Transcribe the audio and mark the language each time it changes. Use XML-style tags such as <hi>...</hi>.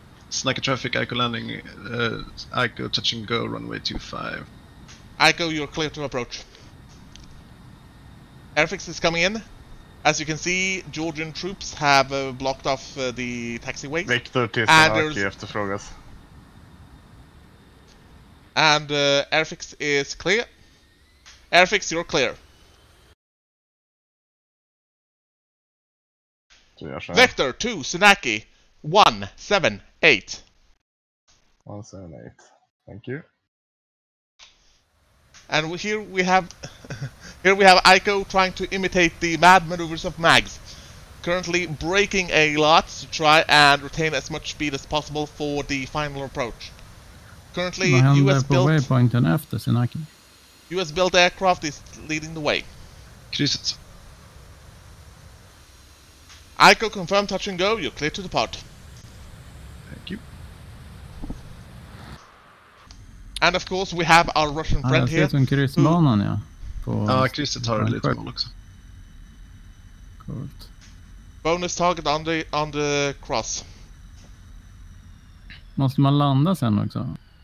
<en>Snacky traffic, Ico landing, Ico touch and go, runway 25. Ico, you're clear to approach. Airfix is coming in. As you can see, Georgian troops have blocked off the taxiway.</en> <sv>Victor till Snacky efterfrågas.</sv> <en>And Airfix is clear. Airfix, you're clear. Vector 2, Sunaki 1, 7, 8. 1, 7, 8. Thank you. And here we have Ico trying to imitate the mad maneuvers of Mags. Currently braking a lot to try and retain as much speed as possible for the final approach. Currently, US built aircraft is leading the way.</en> <sv>Krysset.</sv> <en>Ico, confirm touch and go, you're clear to depart. Thank you. And of course we have our Russian friend here.</en> <sv>Jag ser en kryssbanan, ja. Ja, krysset har lite mål också. Coolt.</sv> <en>Bonus target on the cross.</en> <sv>Måste man landa sen också?</sv>